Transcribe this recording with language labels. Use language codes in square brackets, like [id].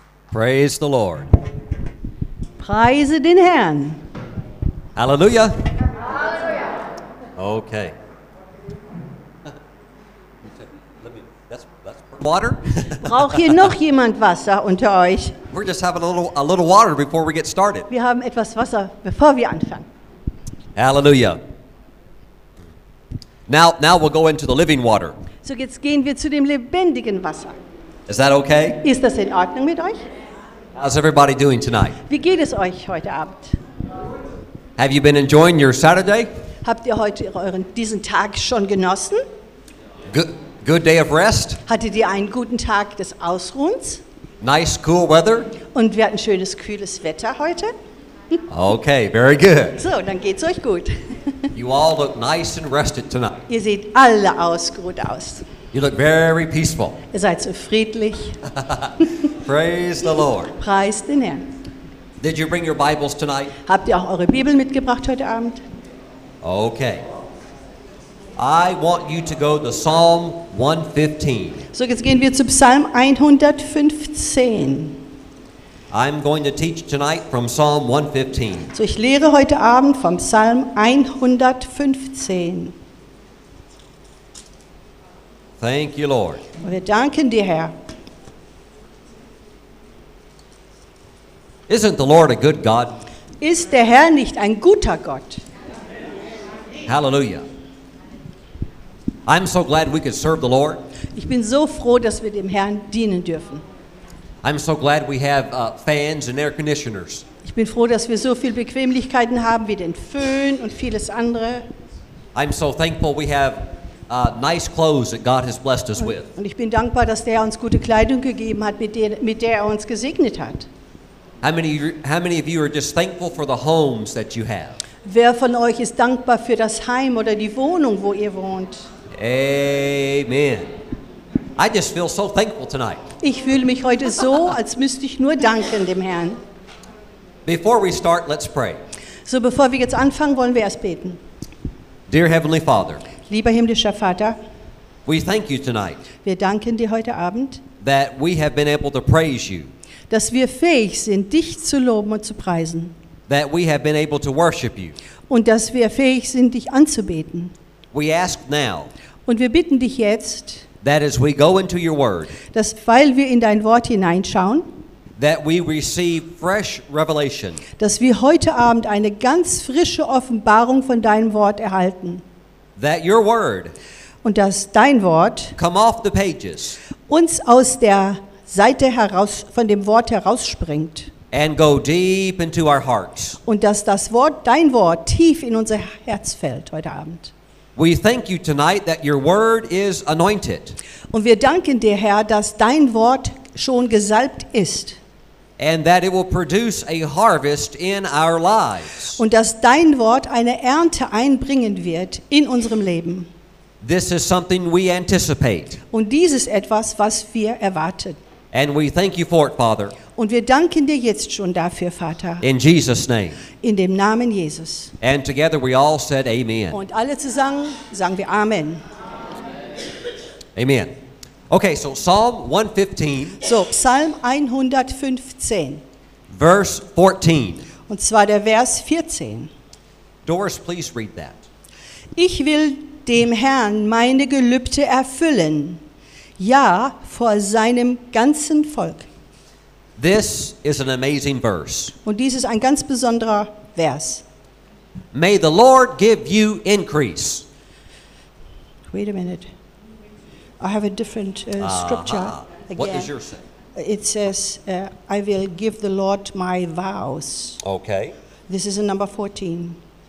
[en] Praise the Lord. [de] Preise den Herrn. Halleluja. Halleluja. [en] Okay. Water? [de] Braucht hier noch jemand Wasser unter euch? [en] We're just having a little water before we get started. [de] Wir haben etwas Wasser, bevor wir anfangen. [en] Hallelujah. Now we'll go into the living water. [de] So jetzt gehen wir zu dem lebendigen Wasser. [en] Is that okay? [de] Ist das in Ordnung mit euch? [en] How's everybody doing tonight? [de] Wie geht es euch heute Abend? [en] Have you been enjoying your Saturday? [de] Habt ihr heute diesen Tag schon genossen? [en] Good day of rest. [de] Hattet ihr einen guten Tag des Ausruhens? [en] Nice cool weather. [de] Und wir hatten schönes kühles Wetter heute. [en] Okay, very good. [de] So, dann geht's euch gut. [en] You all look nice and rested tonight. [de] Ihr seht alle ausgeruht aus. [en] You look very peaceful. [de] Ihr seid so friedlich. [en] Praise the Lord. [de] Preist den Herrn. [en] Did you bring your Bibles tonight? [de] Habt ihr auch eure Bibel mitgebracht heute Abend? [en] Okay. I want you to go to Psalm 115. [de] So jetzt gehen wir zu Psalm 115. [en] I'm going to teach tonight from Psalm 115. [de] So ich lehre heute Abend vom Psalm 115. [en] Thank you, Lord. [de] Wir danken dir, Herr. [en] Isn't the Lord a good God? [de] Ist der Herr nicht ein guter Gott? [en] Hallelujah. I'm so glad we could serve the Lord. [de] Ich bin so froh, dass wir dem Herrn dienen dürfen. [en] I'm so glad we have fans and air conditioners. [de] Ich bin froh, dass wir so viel Bequemlichkeiten haben wie den Föhn und vieles andere. [en] I'm so thankful we have nice clothes that God has blessed us with. [de] Und ich bin dankbar, dass der uns gute Kleidung gegeben hat, mit der er uns gesegnet hat. [en] How many of you are just thankful for the homes that you have? [de] Wer von euch ist dankbar für das Heim oder die Wohnung, wo ihr wohnt? [en] Amen. I just feel so thankful tonight. [de] Ich fühle mich heute so, als müsste ich nur danken dem Herrn. [en] Before we start, let's pray. [de] So bevor wir jetzt anfangen, wollen wir erst beten. [en] Dear Heavenly Father. [de] Lieber himmlischer Vater. [en] We thank you tonight. [de] Wir danken dir heute Abend. [en] That we have been able to praise you. [de] Dass wir fähig sind, dich zu loben und zu preisen. [en] That we have been able to worship you. [de] Und dass wir fähig sind, dich anzubeten. [en] We ask now, [de] und wir bitten dich jetzt, [en] that as we go into your word, [de] dass weil wir in dein Wort hineinschauen, [en] that we receive fresh revelation, [de] dass wir heute Abend eine ganz frische Offenbarung von deinem Wort erhalten, [en] that your word, [de] und dass dein Wort, [en] come off the pages, [de] uns aus der Seite heraus, von dem Wort herausspringt, [en] and go deep into our hearts, [de] und dass das Wort, dein Wort, tief in unser Herz fällt heute Abend. [en] We thank you tonight that your word is anointed. [de] Und wir danken dir, Herr, dass dein Wort schon gesalbt ist. [en] And that it will produce a harvest in our lives. [de] Und dass dein Wort eine Ernte einbringen wird in unserem Leben. [en] This is something we anticipate. [de] Und dies ist etwas, was wir erwarten. [en] And we thank you for it, Father. [de] Und wir danken dir jetzt schon dafür, Vater. [en] In Jesus' name. [de] In dem Namen Jesus. [en] And together we all said amen. [de] Und alle zusammen sagen wir Amen. [en] Amen. Okay, so Psalm 115. [de] So, Psalm 115. [en] Verse 14. [de] Und zwar der Vers 14. [en] Doris, please read that. [de] Ich will dem Herrn meine Gelübde erfüllen, ja, vor seinem ganzen Volk. [en] This is an amazing verse. [de] Und dies ist ein ganz besonderer Vers. [en] May the Lord give you increase. Wait a minute. I have a different scripture. Again. What does yours say? It says, I will give the Lord my vows. Okay. This is a number 14.